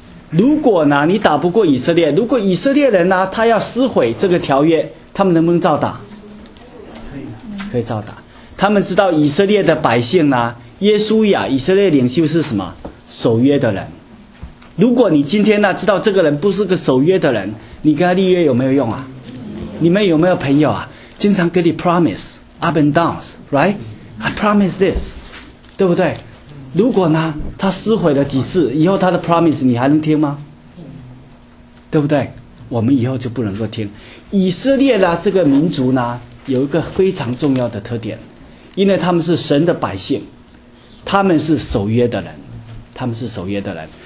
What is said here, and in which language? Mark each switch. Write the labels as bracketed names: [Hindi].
[Chinese] 如果呢，你打不过以色列，如果以色列人呢，他要撕毁这个条约，他们能不能照打？可以照打。他们知道以色列的百姓呢，耶稣亚以色列领袖是什么？守约的人。如果你今天呢，知道这个人不是个守约的人，你跟他立约有没有用啊？你们有没有朋友啊？经常给你 [English] promise up and downs, right? I promise this, [Chinese] 对不对？如果呢，他撕毁了几次，以后他的 promise 你还能听吗？对不对？我们以后就不能够听。以色列呢，这个民族呢，有一个非常重要的特点，因为他们是神的百姓，他们是守约的人，他们是守约的人。